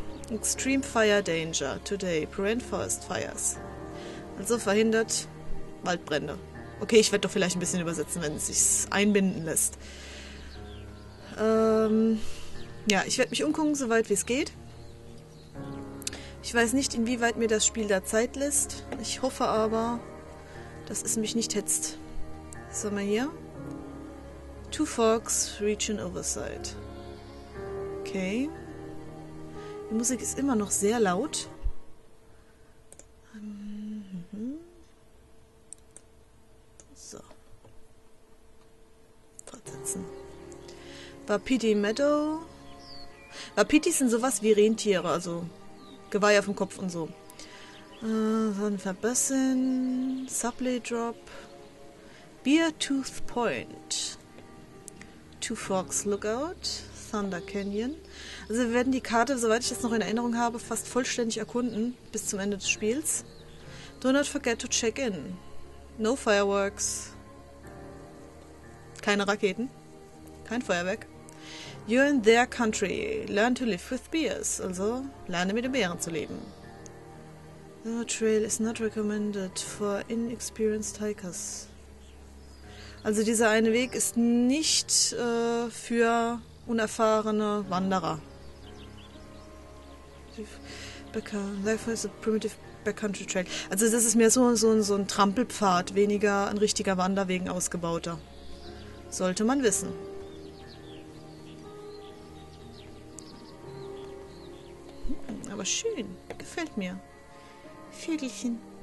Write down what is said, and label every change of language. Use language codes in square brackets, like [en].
[en] Extreme Fire Danger today. Prevent Forest Fires. [de] Also verhindert Waldbrände. Okay, ich werde doch vielleicht ein bisschen übersetzen, wenn es sich einbinden lässt. Ja, ich werde mich umgucken, soweit wie es geht. Ich weiß nicht, inwieweit mir das Spiel da Zeit lässt. Ich hoffe aber, dass es mich nicht hetzt. Was haben wir hier? [en] Two Forks, Region Oversight. Okay. [de] Die Musik ist immer noch sehr laut. Fortsetzen. Wapiti Meadow. Wapitis sind sowas wie Rentiere, also Geweih auf dem Kopf und so. Dann Verbessern. Supply Drop. Beartooth Point. Two Forks Lookout. Thunder Canyon. Also wir werden die Karte, soweit ich das noch in Erinnerung habe, fast vollständig erkunden bis zum Ende des Spiels. [en] Do not forget to check in. No fireworks. [de] Keine Raketen. Kein Feuerwerk. [en] You're in their country. Learn to live with bears. [de] Also lerne mit den Bären zu leben. [en] The trail is not recommended for inexperienced hikers. [de] Also dieser eine Weg ist nicht für unerfahrene Wanderer. [en] Therefore is a primitive backcountry trail. [de] Also das ist mehr so ein Trampelpfad, weniger ein richtiger Wanderweg, ausgebauter. Sollte man wissen. Aber schön, gefällt mir. Vögelchen.